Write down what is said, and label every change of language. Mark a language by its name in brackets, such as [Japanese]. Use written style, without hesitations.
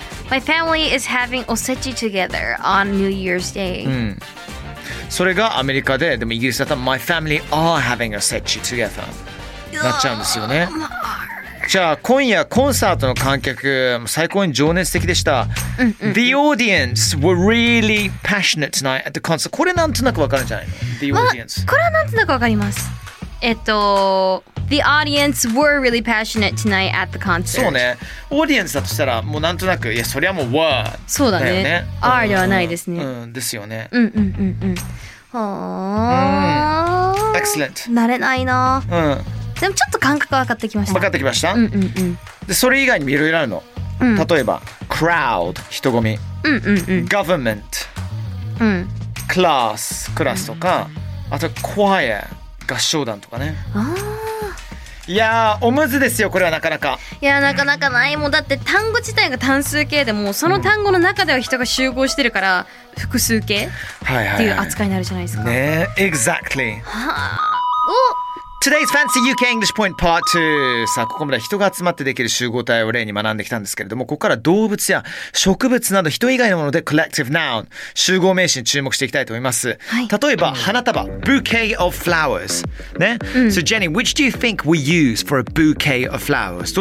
[English] My family is having おせち together on New Year's Day. [Japanese] うん、それがアメリカで、でもイギリスだったら [English] My family are having a set you together [Japanese] なっちゃうんですよね。じゃあ今夜コンサートの観客最高に情熱的でした。 [English] The audience were really passionate tonight at the concert. [Japanese] これなんとなくわかるんじゃないの？ [English] The audience、 [Japanese] まあ、これはなんとなくわかります。 [English] The audience were really passionate tonight at the concert. [Japanese] そうね。オーディエンスだとしたら、もうなんとなく、いや、そりゃもう、were だよね。そうだね。are ではないですね。うん、ですよね。うんうんうんうん。は [English] ぁ。Excellent。 [Japanese] 慣れないなぁ。うん。でもちょっと感覚分かってきました。分かってきました？うんうんうん。で、それ以外にもいろいろあるの。うん。例えば、crowd、人混み。うんうんうん。 [English] government。 [Japanese] うん。 class、クラスとか。うん、あと、choir、合唱団とかね。ああ。いやおむずですよこれは。なかなか、いやなかなかない。もうだって単語自体が単数形でもうその単語の中では人が集合してるから複数形、はいはいはい、っていう扱いになるじゃないですか [English] ね。Exactly、はあ、お Today's Fancy UK English Point Part 2。 [Japanese] さあここまで人が集まってできる集合体を例に学んできたんですけれども、ここから動物や植物など人以外のもので Collective Noun 集合名詞に注目していきたいと思います、はい、例えば花束 Bouquet of Flowers ね、うん、 [English] So Jenny, which do you think we use for a bouquet of flowers?